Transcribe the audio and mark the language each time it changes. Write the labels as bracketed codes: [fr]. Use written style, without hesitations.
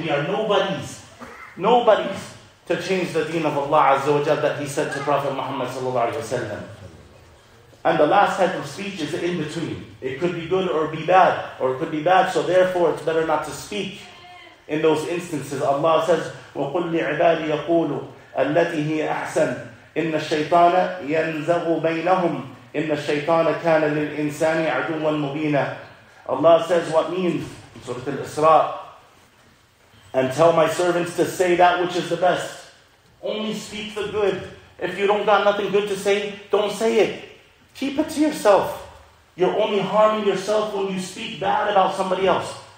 [en] We are nobodies. Nobodies to change the deen of Allah Azza wa Jalla that He said to Prophet Muhammad Sallallahu Alaihi Wasallam. And the last type of speech is in between. It could be good or be bad, or it could be bad, so therefore it's better not to speak in those instances. Allah says, [ar] وَقُلْ لِعِبَادِي يَقُولُ الَّتِي هِيَ أَحْسَنُ إِنَّ الشَّيْطَانَ يَنْزَغُ بَيْنَهُمْ إِنَّ الشَّيْطَانَ كَانَ لِلْإِنسَانِ عَدُوًا مُبِينًا [en] Allah says, what means? In Surah Al-Isra, and tell my servants to say that which is the best. Only speak the good. If you don't got nothing good to say, don't say it. Keep it to yourself. You're only harming yourself when you speak bad about somebody else.